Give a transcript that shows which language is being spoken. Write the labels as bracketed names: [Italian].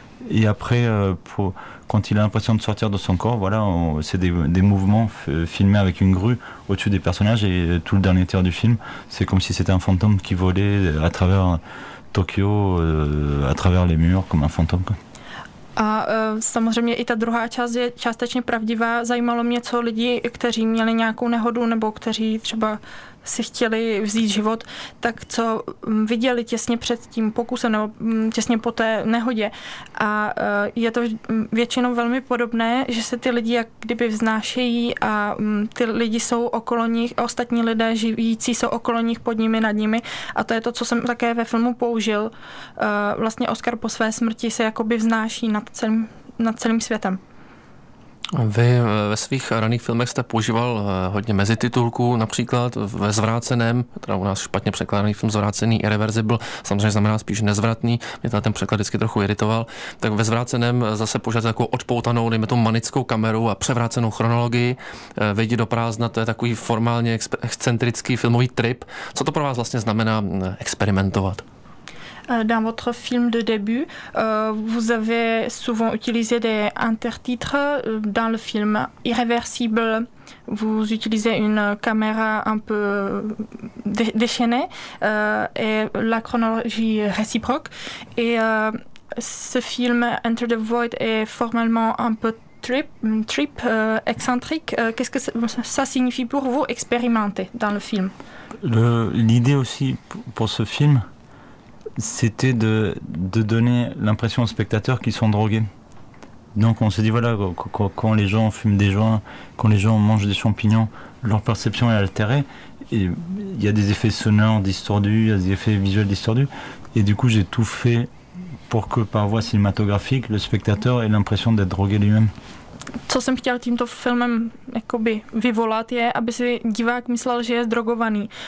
[French] Et après, quand il a l'impression de sortir de son corps, voilà, c'est des mouvements filmés avec une grue au-dessus des personnages, et tout le dernier tiers du film, c'est comme si c'était un fantôme qui volait à travers Tokyo, à travers les murs, comme un fantôme, quoi. [Czech] A samozřejmě i ta druhá část je částečně pravdivá. Zajímalo mě, co lidi, kteří měli nějakou nehodu nebo kteří třeba si chtěli vzít život, tak co viděli těsně před tím pokusem nebo těsně po té nehodě. A je to většinou velmi podobné, že se ty lidi jak kdyby vznášejí a ty lidi jsou okolo nich, a ostatní lidé žijící jsou okolo nich, pod nimi, nad nimi. A to je to, co jsem také ve filmu použil. Vlastně Oscar po své smrti se jakoby vznáší nad celým světem. Vy ve svých raných filmech jste používal hodně mezititulků, například ve Zvráceném, teda u nás špatně překládaný film Zvrácený, Irreversible, samozřejmě znamená spíš nezvratný, mě ten překlad vždycky trochu iritoval, tak ve Zvráceném zase požádat takovou odpoutanou, dejme tomu manickou kameru a převrácenou chronologii, vejdi do prázdna, to je takový formálně excentrický filmový trip. Co to pro vás vlastně znamená experimentovat? [French] Dans votre film de début, vous avez souvent utilisé des intertitres dans le film. Irréversible, vous utilisez une caméra un peu déchaînée et la chronologie réciproque. Et ce film, Enter the Void, est formellement un peu trip excentrique. Qu'est-ce que ça signifie pour vous, expérimenter dans le film? L'idée aussi pour ce film, c'était de donner l'impression aux spectateurs qu'ils sont drogués. Donc on s'est dit, voilà, quand les gens fument des joints, quand les gens mangent des champignons, leur perception est altérée. Et il y a des effets sonores distordus, il y a des effets visuels distordus. Et du coup, j'ai tout fait pour que par voie cinématographique, le spectateur ait l'impression d'être drogué lui-même. [Czech] Co jsem chtěl tímto filmem jakoby vyvolat, je, aby si divák myslel, že je zdrogovaný.